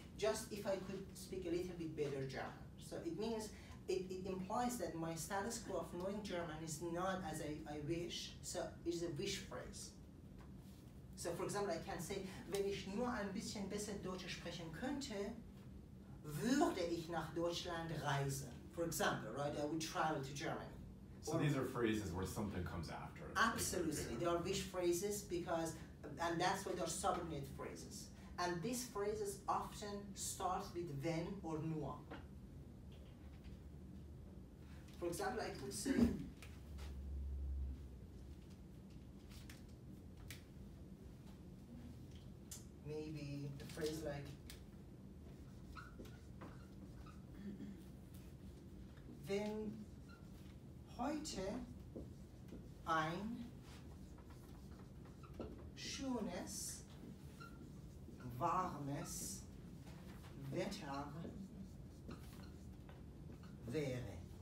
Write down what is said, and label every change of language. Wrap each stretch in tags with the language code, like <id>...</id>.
<en>Just if I could speak a little bit better German. So it means, it implies that my status quo of knowing German is not as I wish, so it's a wish phrase. So, for example, I can say,</en> <de>wenn ich nur ein bisschen besser Deutsch sprechen könnte, würde ich nach Deutschland reisen.</de> <en>For example, right? I would travel to Germany. So these are phrases where something comes after. Absolutely. They are wish phrases because, and that's why they're subordinate phrases. And these phrases often start with wenn or nur. For example, I could say, maybe a phrase like</en> <de>wenn heute ein schönes warmes Wetter wäre.</de>